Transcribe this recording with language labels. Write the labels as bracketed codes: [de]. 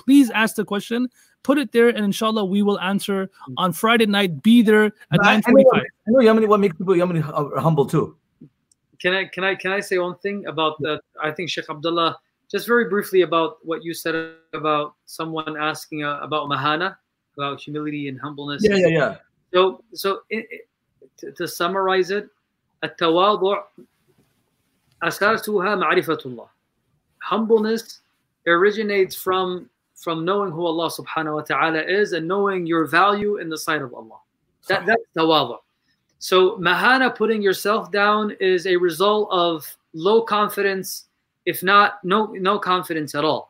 [en] Please ask the question. Put it there and inshallah we will answer on Friday night. Be there at 9:45. I know Yemeni, what makes people Yemeni humble too. Can I say one thing about that? I think Sheikh Abdullah, just very briefly about what you said about someone asking about mahana, about humility and humbleness. Yeah. So to summarize it, [ar] التواضع أساسها معرفة الله. [en] Humbleness originates from knowing who Allah subhanahu wa ta'ala is and knowing your value in the sight of Allah. That's التواضع. So mahana, putting yourself down, is a result of low confidence, if not no confidence at all.